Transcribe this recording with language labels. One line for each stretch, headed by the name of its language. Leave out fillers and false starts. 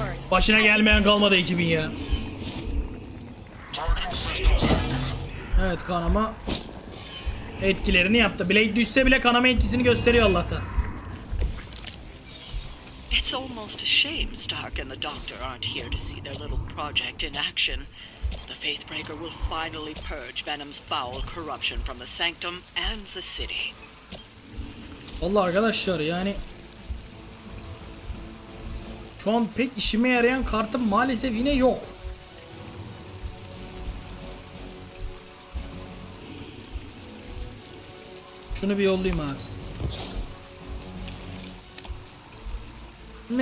Turkish: Başına gelmeyen kalmadı 2000 ya. Evet, kanama etkilerini yaptı. Blade düşse bile kanama etkisini gösteriyor Allah'tan.
English: It's almost a shame Stark and the Doctor aren't here to see their little project in action. The Faithbreaker will finally purge Venom's foul corruption from the Sanctum and the city.
Turkish: Vallahi arkadaşlar yani şu an pek işime yarayan kartım maalesef yine yok. Şunu bir yollayayım abi.